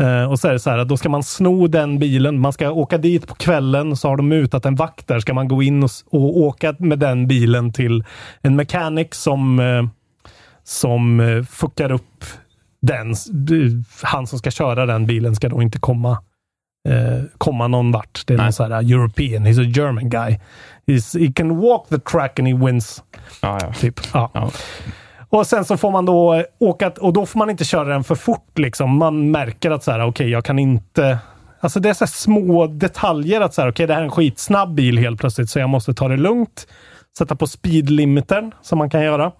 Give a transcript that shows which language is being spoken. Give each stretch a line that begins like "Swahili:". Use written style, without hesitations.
Swedish: Och så är det så här, då ska man sno den bilen, man ska åka dit på kvällen, så har de mutat en vakt där, ska man gå in och åka med den bilen till en mekanik som fuckar upp den, han som ska köra den bilen ska då inte komma komma någon vart. Det är någon så här
English: European, he's a German guy. He's, he can walk the track and he wins.
Swedish: Ja, ja. Typ. Ja. Ja. Och sen så får man då åka, och då får man inte köra den för fort liksom. Man märker att så här, okej, jag kan inte, alltså det är så här små detaljer att så här, okej, det här är en skitsnabb bil helt plötsligt, så jag måste ta det lugnt, sätta på speedlimitern som man kan göra.